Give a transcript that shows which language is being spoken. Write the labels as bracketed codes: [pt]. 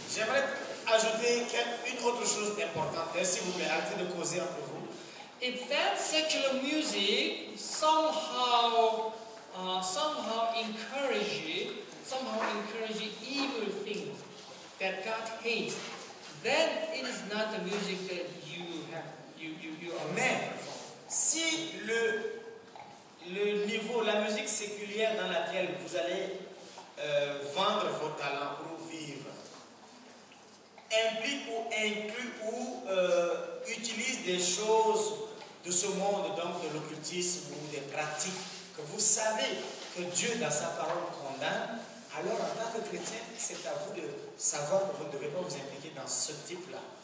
[fr] J'aimerais ajouter une autre chose importante, si vous me permettez de causer entre vous. [en] If that secular music somehow encourages evil things that God hates, then it is not the music that you are. [fr] Mais si le niveau, la musique séculière dans laquelle vous allez vendre vos talents pour vivre implique ou inclut ou utilise des choses de ce monde, donc de l'occultisme ou des pratiques que vous savez que Dieu dans sa parole condamne, alors en tant que chrétien, c'est à vous de savoir que vous ne devez pas vous impliquer dans ce type-là.